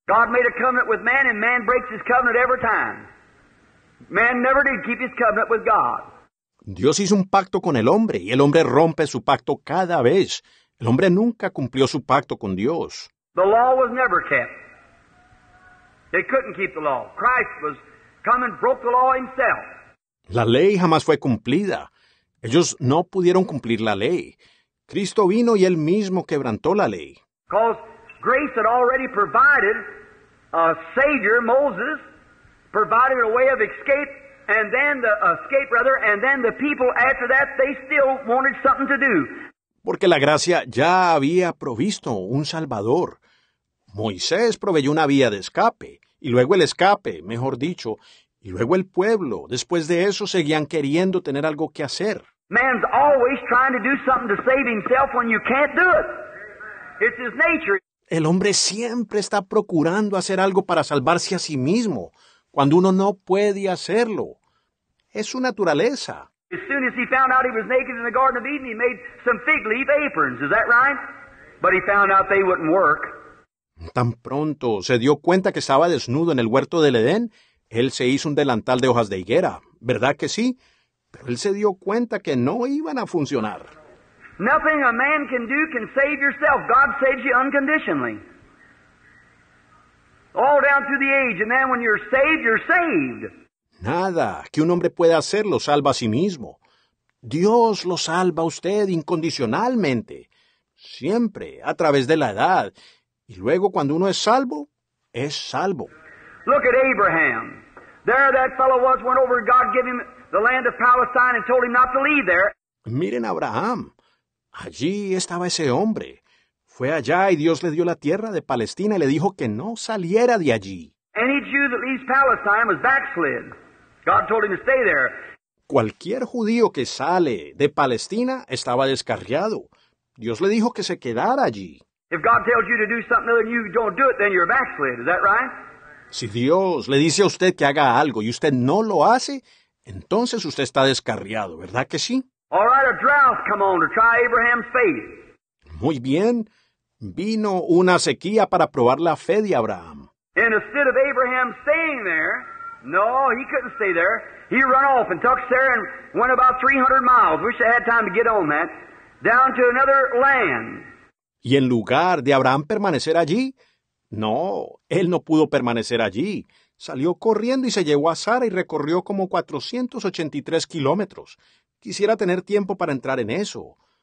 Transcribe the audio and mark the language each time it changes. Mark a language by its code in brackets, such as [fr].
[en] God made a covenant with man, and man breaks his covenant every time. Man never did keep his covenant with God. [es] Dios hizo un pacto con el hombre, y el hombre rompe su pacto cada vez. El hombre nunca cumplió su pacto con Dios. [en] The law was never kept. They couldn't keep the law. Christ was come and broke the law himself. [es] La ley jamás fue cumplida. Ellos no pudieron cumplir la ley. Cristo vino y él mismo quebrantó la ley. [en] Because grace had already provided a Savior, Moses, provided a way of escape, and then the escape, rather, and then the people after that, they still wanted something to do. [es] Porque la gracia ya había provisto un Salvador. Moisés proveyó una vía de escape, y luego el escape, mejor dicho, y luego el pueblo, después de eso, seguían queriendo tener algo que hacer. [en] Man's always trying to do something to save himself when you can't do it. It's his nature. [es] El hombre siempre está procurando hacer algo para salvarse a sí mismo, cuando uno no puede hacerlo. Es su naturaleza. [en] As soon as he found out he was naked in the Garden of Eden, he made some fig leaf aprons, is that right? But he found out they wouldn't work. [es] Tan pronto se dio cuenta que estaba desnudo en el huerto del Edén, él se hizo un delantal de hojas de higuera, ¿verdad que sí? Pero él se dio cuenta que no iban a funcionar. [en] Nothing a man can do can save yourself. God saves you unconditionally. All down through the age, and then when you're saved, you're saved. [es] Nada que un hombre pueda hacer lo salva a sí mismo. Dios lo salva a usted incondicionalmente, siempre, a través de la edad. Y luego, cuando uno es salvo, es salvo. [en] Look at Abraham. There that fellow was, went over and God gave him the land of Palestine and told him not to leave there. [es] Miren a Abraham. Allí estaba ese hombre. Fue allá y Dios le dio la tierra de Palestina y le dijo que no saliera de allí. [en] Any Jew that leaves Palestine was backslid. God told him to stay there. [es] Cualquier judío que sale de Palestina estaba descarriado. Dios le dijo que se quedara allí. [en] If God tells you to do something other than you don't do it, then you're backslid. Is that right? [es] Si Dios le dice a usted que haga algo y usted no lo hace, entonces usted está descarriado, ¿verdad que sí? [en] All right, a drought come on to try Abraham's faith. [es] Muy bien, vino una sequía para probar la fe de Abraham. [en] And instead of Abraham staying there, no, he couldn't stay there. He ran off and took Sarah and went about 300 miles. Wish I had time to get on that. Down to another land. [es] Y en lugar de Abraham permanecer allí, no, él no pudo permanecer allí, Salió corriendo y se llegó a Sara y recorrió como 483 kilómetros. Quisiera tener tiempo para entrar en eso.